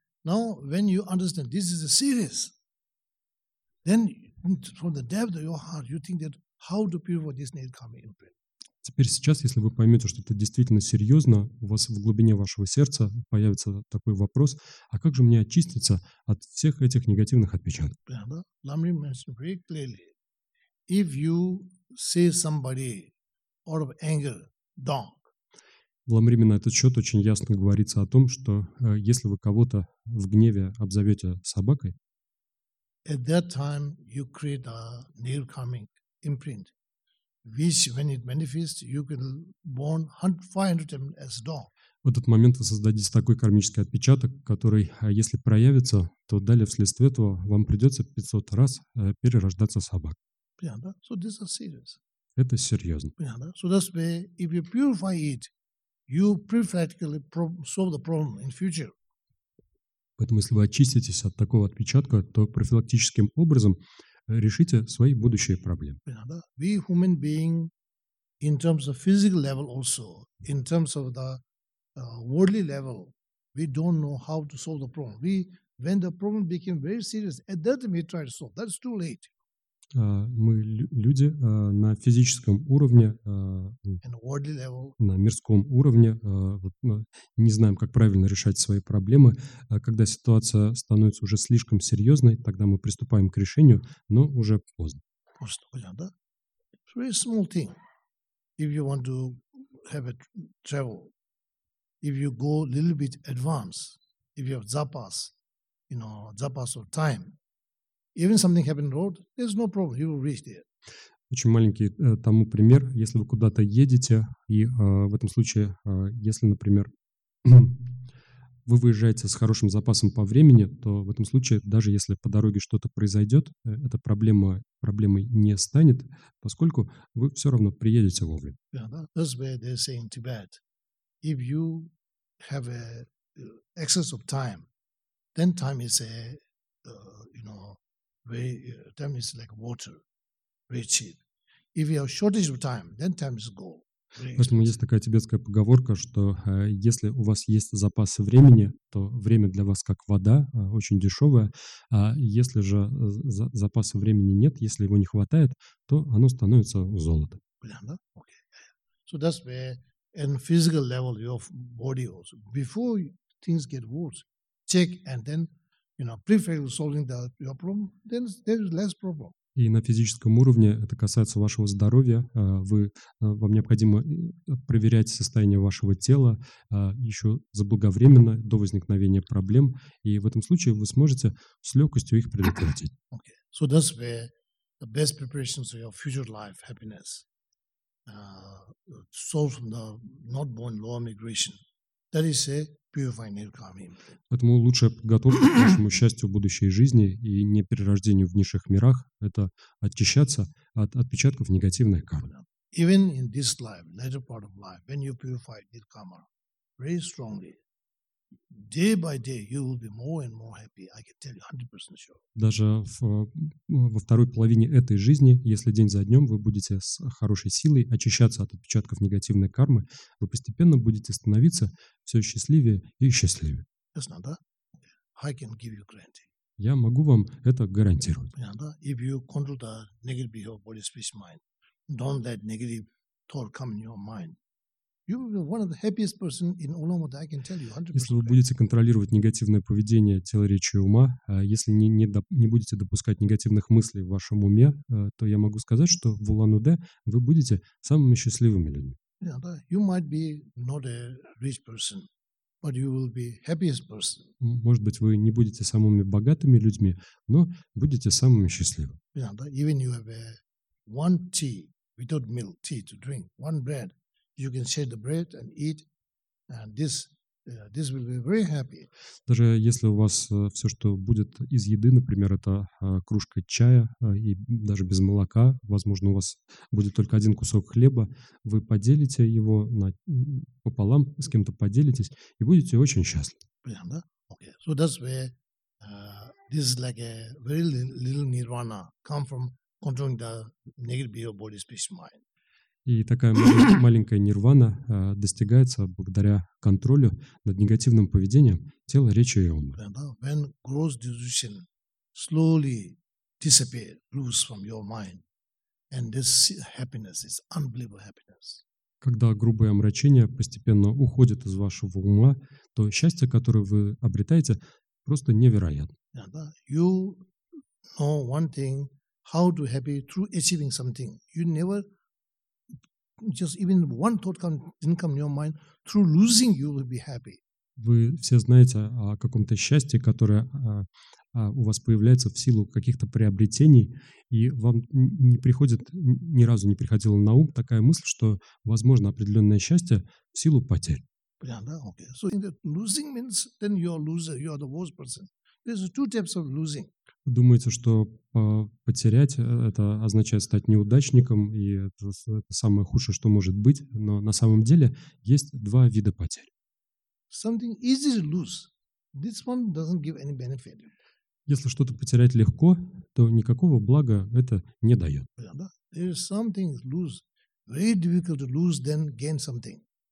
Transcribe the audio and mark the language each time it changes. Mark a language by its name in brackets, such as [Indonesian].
[English] Now, when you understand this is a serious, then from the depth of your heart, you think that how to purify this negative karma imprint. [Russian] Теперь сейчас, если вы поймете, что это действительно серьезно, у вас в глубине вашего сердца появится такой вопрос: а как же мне очиститься от всех этих негативных отпечатков? [English] Ламри mentioned very clearly: if you say somebody out of anger, don't. [Russian] В Ламриме на этот счет очень ясно говорится о том, что если вы кого-то в гневе обзовете собакой, [English] at that time you create a negative karmic imprint, which when it manifests, you can born 500 times as dog. [Russian] В этот момент вы создадите такой кармический отпечаток, который, если проявится, то далее вследствие этого вам придется 500 раз перерождаться собакой. [English] Yeah, that, so this is serious. [Russian] Это серьезно. [English] Yeah, that, so that's where if you purify it, you prophetically solve the problem in future. [Russian] Поэтому, если вы очиститесь от такого отпечатка, то профилактическим образом решите свои будущие проблемы. [English] We human being, in terms of physical level also, in terms of the worldly level, we don't know how to solve the problem. We, when the problem became very serious, at that time we try to solve. That's too late. [Russian] Мы люди на физическом уровне, на мирском уровне не знаем, как правильно решать свои проблемы. Когда ситуация становится уже слишком серьезной, тогда мы приступаем к решению, но уже поздно. Просто понятно, да? [English] It's a very small thing. If you want to have a travel, if you go a little bit advanced, if you have zapas, you know, zapas of time, even something happened road, there's no problem, you will reach there. [Russian] Очень маленький тому пример. Если вы куда-то едете, и в этом случае, если, например, вы выезжаете с хорошим запасом по времени, то в этом случае, даже если по дороге что-то произойдет, эта проблема проблемой не станет, поскольку вы все равно приедете вовремя. [English] Yeah, that's where they say in Tibet, if you have a excess of time, then time is a, you know, very, time is like water, very cheap. If you have shortage of time, then time is gold. [Russian] Поэтому есть такая тибетская поговорка, что если у вас есть запасы времени, то время для вас как вода, очень дешевая. А если же запаса времени нет, если его не хватает, то оно становится золотом. Понятно? Okay. [English] So that's where in physical level your body also. Before things get worse, check and then, you know, prefer solving the your problem, then there is less problem. [Russian] И на физическом уровне это касается вашего здоровья. Вы, вам необходимо проверять состояние вашего тела еще заблаговременно, до возникновения проблем. И в этом случае вы сможете с легкостью их предотвратить. Okay. [English] So that's where the best preparations for your future life, happiness, solve from the not born lower migration. That is a purifying negative karma imprint. [Russian] Поэтому лучшая подготовка к вашему счастью в будущей жизни и не перерождению в низших мирах – это очищаться от отпечатков негативной кармы. [English] Even in this life, later part of life, when you purify negative karma, very strongly, day by day you will be more and more happy. I can tell you 100% sure. [Russian] Даже во второй половине этой жизни, если день за днем вы будете с хорошей силой очищаться от отпечатков негативной кармы, вы постепенно будете становиться все счастливее и счастливее. [English] That's not that. I can give you guarantee. [Russian] Я могу вам это гарантировать. [English] Yeah, that. If you control the negative behavior, body, speech, mind, don't let negative thought come in your mind. [Russian] Если вы будете контролировать негативное поведение тела, речи и ума, если не будете допускать негативных мыслей в вашем уме, то я могу сказать, что в Улан-Удэ вы будете самыми счастливыми людьми. [English] You might be not a rich person, but you will be happiest person. [Russian] Может быть, вы не будете самыми богатыми людьми, но будете самыми счастливыми. [English] Even you have one tea without milk, tea to drink, one bread. You can share the bread and eat, and this will be very happy. [Russian] Даже если у вас все, что будет из еды, например, это кружка чая и даже без молока, возможно, у вас будет только один кусок хлеба, вы поделите его пополам с кем-то, поделитесь и будете очень счастливы. Yeah, okay. [English] So that's where this is like a very little nirvana come from controlling the negative behavior, body, speech, mind. [Russian] И такая маленькая нирвана достигается благодаря контролю над негативным поведением тела, речи и ума. [English] When gross delusion slowly disappears from your mind, and this happiness is unbelievable happiness. [Russian] Когда грубое омрачение постепенно уходит из вашего ума, то счастье, которое вы обретаете, просто невероятно. [English] You know one thing, how to happy through achieving something. You never just even one thought didn't come in your mind, through losing you will be happy. [Russian] Вы все знаете о каком-то счастье, которое у вас появляется в силу каких-то приобретений, и вам не приходит, ни разу не приходила на ум такая мысль, что возможно определенное счастье в силу потерь. Yeah, да? Okay. [English] So losing means then you're a loser, you're the worst person. There's two types of losing. [Russian] Вы думаете, что потерять это означает стать неудачником, и это самое худшее, что может быть, но на самом деле есть два вида потерь. [English] Something easy to lose. This one doesn't give any benefit. [Russian] Если что-то потерять легко, то никакого блага это не дает. [English] There is something lose, very difficult to lose, then gain something.